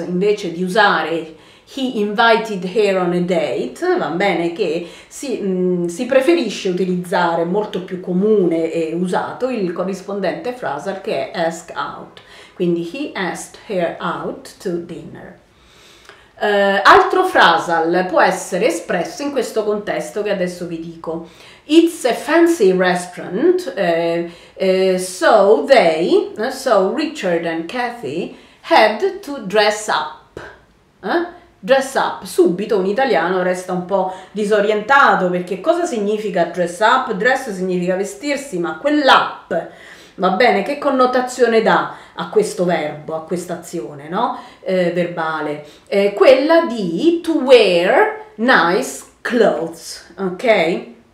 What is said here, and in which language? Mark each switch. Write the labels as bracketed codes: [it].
[it] Invece di usare [en] he invited her on a date, [it] va bene che si preferisce utilizzare, molto più comune e usato, il corrispondente phrasal che è ask out. Quindi [en] he asked her out to dinner. [it] Altro phrasal può essere espresso in questo contesto che adesso vi dico. [en] It's a fancy restaurant, so Richard and Kathy had to dress up. [it] Dress up, subito un italiano resta un po' disorientato, perché cosa significa dress up? Dress significa vestirsi, ma quell'up, va bene, che connotazione dà a questo verbo, a questa azione, no? Verbale? Quella di [en] to wear nice clothes, ok?